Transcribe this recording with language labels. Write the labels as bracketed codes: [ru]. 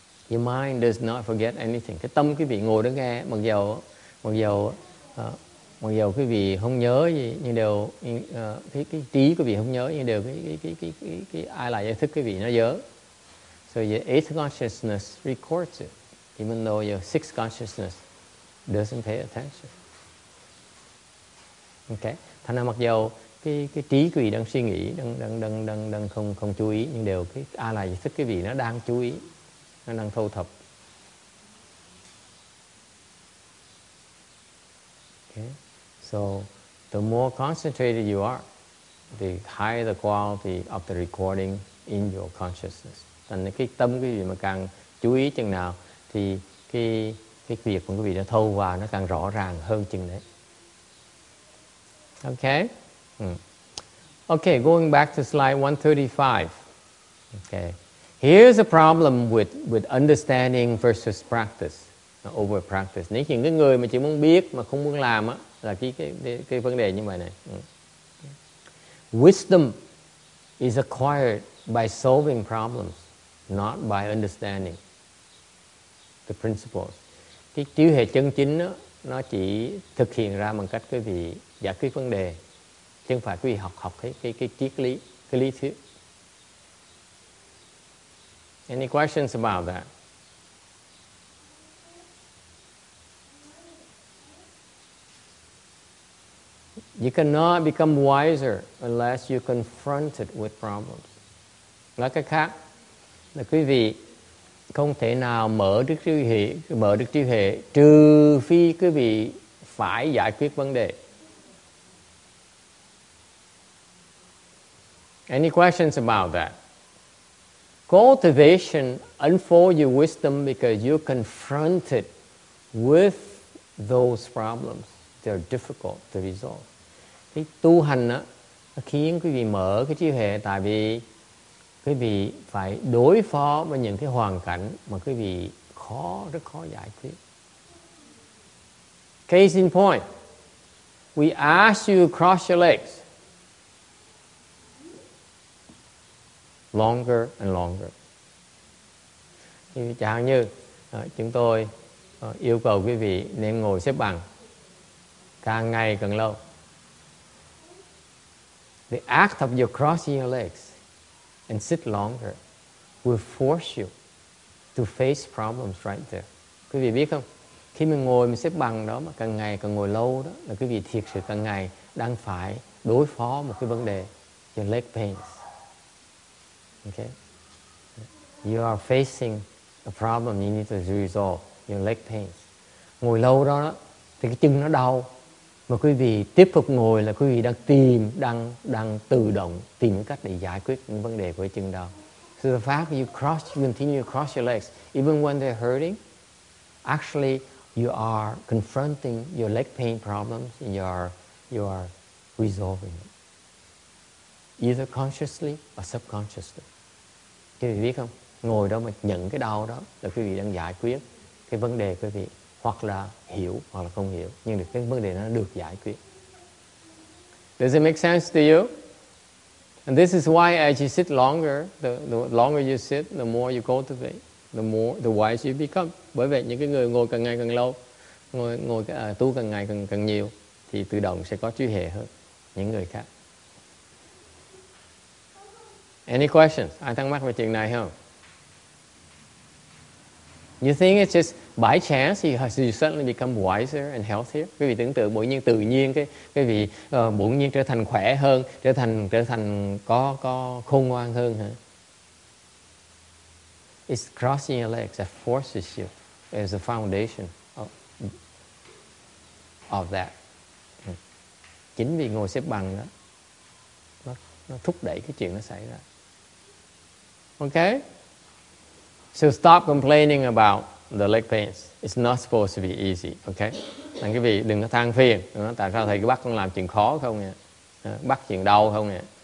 [en] Your mind does not forget anything. [vi] Cái tâm quý vị ngồi đó nghe, mặc dầu quý vị không nhớ gì, nhưng đều cái trí quý vị không nhớ, nhưng đều cái ai là giải thích quý vị nó nhớ. [en] So your eighth consciousness records it, even though your sixth consciousness doesn't pay attention. Okay. [vi] Thành ra mặc dầu cái trí quý vị đang suy nghĩ, đang không chú ý, nhưng đều cái a lại giải thích quý vị nó đang chú ý, nó đang thu thập. [en] Okay. So the more concentrated you are, the higher the quality of the recording in your consciousness. [vi] Thành cái tâm quý vị mà càng chú ý chừng nào thì cái việc của quý vị nó thâu vào nó càng rõ ràng hơn chừng đấy. [en] Okay. Okay, going back to slide 135. Okay, here's a problem with understanding versus practice, over practice. [vi] Nếu những cái người mà chỉ muốn biết mà không muốn làm á, là cái vấn đề như vậy này. [en] Wisdom is acquired by solving problems, not by understanding the principles. [vi] Cái trí huệ chân chính á, nó chỉ thực hiện ra bằng cách quý vị giải quyết vấn đề. Chứ không phải quý vị học cái triết lý, cái lý thuyết. [en] Any questions about that? You cannot become wiser unless you confront it with problems. [vi] Nói cách khác, là quý vị không thể nào mở được trí huệ trừ phi quý vị phải giải quyết vấn đề. [en] Any questions about that? Cultivation unfolds your wisdom because you're confronted with those problems. They're difficult to resolve. [vi] Cái tu hành á khiến quý vị mở cái trí huệ tại vì quý vị phải đối phó với những cái hoàn cảnh mà quý vị khó, rất khó giải quyết. [en] Case in point, we ask you to cross your legs. Longer and longer. [vi] Chẳng hạn như chúng tôi yêu cầu quý vị nên ngồi xếp bằng càng ngày càng lâu. [en] The act of your crossing your legs and sit longer will force you to face problems right there. [vi] Quý vị biết không? Khi mình ngồi mình xếp bằng đó mà càng ngày càng ngồi lâu đó là quý vị thiệt sự càng ngày đang phải đối phó một cái vấn đề, [en] your leg pains. Okay. You are facing a problem you need to resolve, your leg pains. [vi] Ngồi lâu đó thì cái chân nó đau. Mà quý vị tiếp tục ngồi là quý vị đang tự động tìm cách để giải quyết những vấn đề của chân đau. [en] So the fact you cross, you continue to cross your legs, even when they're hurting, actually you are confronting your leg pain problems and you are resolving it. Either consciously or subconsciously. [vi] Quý vị biết không? Ngồi đó mà nhận cái đau đó là quý vị đang giải quyết cái vấn đề quý vị. Hoặc là hiểu hoặc là không hiểu. Nhưng được cái vấn đề nó được giải quyết. [en] Does it make sense to you? And this is why as you sit longer, the longer you sit, the more you cultivate, the wiser you become. [vi] Bởi vậy những cái người ngồi càng ngày càng lâu, tu càng ngày càng nhiều, thì tự động sẽ có trí huệ hơn những người khác. [en] Any questions? [vi] Ai thắc mắc về chuyện này không? [en] You think it's just by chance you suddenly become wiser and healthier? [vi] Quý vị tưởng tượng bỗng nhiên tự nhiên cái quý vị bỗng nhiên trở thành khỏe hơn, trở thành có khôn ngoan hơn hả? [en] It's crossing your legs that forces you as the foundation of that. [vi] Chính vì ngồi xếp bằng đó, nó thúc đẩy cái chuyện nó xảy ra. Okay? [en] So stop complaining about the leg pains. It's not supposed to be easy, okay? [vi] Nên quý vị đừng có than phiền. Tại sao thầy cứ bắt con làm chuyện khó không nhỉ? Bắt chuyện đau không nhỉ?